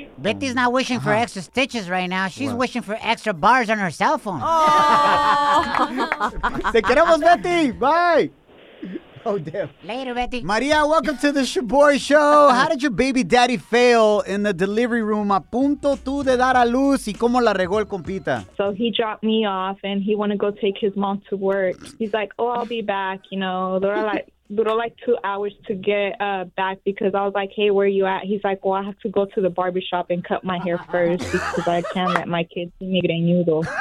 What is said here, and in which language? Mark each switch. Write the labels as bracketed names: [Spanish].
[English] Betty's not wishing for extra stitches right now. She's wishing for extra bars on her cell phone. Oh. [Spanish] Te queremos, Betty. [English] Bye. Oh, damn. Later, Betty. Maria, welcome to the Shoboy Show. How did your baby daddy fail in the delivery room? [Spanish] A punto tú de dar a luz y cómo la regó el compita. [English] So he dropped me off and he wanted to go take his mom to work. He's like, oh, I'll be back. You know, they're like 2 hours to get back because I was like, hey, where are you at? He's like, well, I have to go to the barbershop and cut my hair first because I can't let my kids see me getting noodles.